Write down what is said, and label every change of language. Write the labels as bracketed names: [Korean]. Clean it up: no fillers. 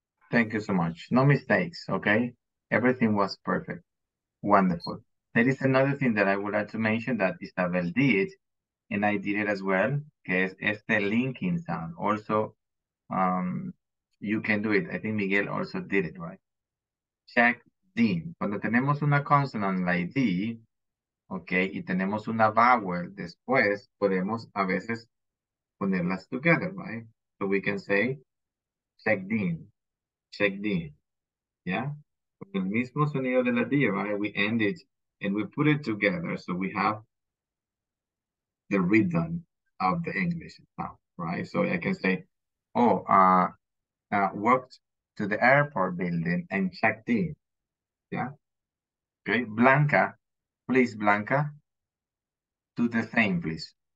[English] Thank you so much. No mistakes, okay? Everything was perfect. Wonderful. There is another thing that I would like to mention that Isabel did, and I did it as well, [Spanish] que es este linking sound. [English] Also, you can do it. I think Miguel also did it, right? Check. [Spanish] Cuando tenemos una consonant [English] like D, okay, [Spanish] y tenemos una vowel después, podemos a veces ponerlas [English] together, right? So we can say, check din, yeah? [Spanish] Con el mismo sonido de la D, right? [English] We end it and we put it together, so we have the rhythm of the English sound, right? So I can say, walked to the airport building and checked in. Yeah. Okay. Blanca, please, Blanca, do the same, please.